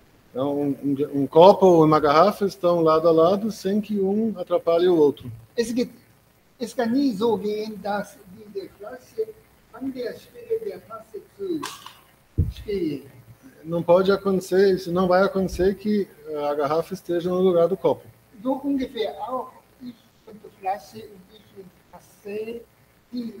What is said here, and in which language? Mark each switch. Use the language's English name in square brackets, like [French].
[Portuguese] Então, um copo ou uma garrafa estão lado a lado, sem que um atrapalhe o outro. [German] Es kann nie so gehen, dass diese Flasche an der Stelle der Tasse zu stehen. [Portuguese] Não pode acontecer, isso não vai acontecer que a garrafa esteja no lugar do copo. [German] So ungefähr auch ich und die Flasche und ich und